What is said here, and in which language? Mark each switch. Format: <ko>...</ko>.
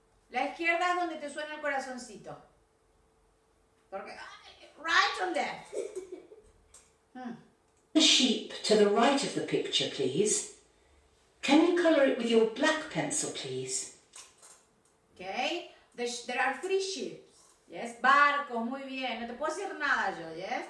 <es>La izquierda es donde te suena el corazoncito. Porque...</es> <en>Right or left? The sheep to the right of the picture, please. Can you colour it with your black pencil, please? Okay. There are 3 sheep.</en> <es>Yes, barcos, muy bien. No te puedo decir nada yo, yes?</es>